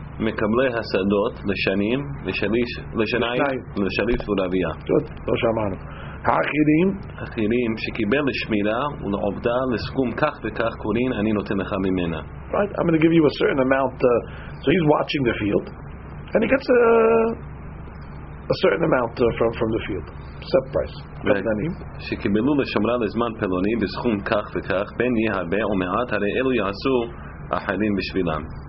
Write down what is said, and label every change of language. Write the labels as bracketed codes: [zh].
[he] מקבלי השדות לשנים, לשניים, לשליש ולרביעה. לא שמענו. האחרים? האחרים שקיבל לשמירה ולעובדה לסכום כך וכך קורין, אני נותן לך ממנה. [en] Right, I'm going to give you a certain amount. So he's watching the field, and he gets a certain amount from the field. Set price. [he] שקיבלו לשמרה לזמן פלוני בסכום כך וכך, בין יהיה הרבה או מעט, הרי אלו יעשו אחרים בשבילם.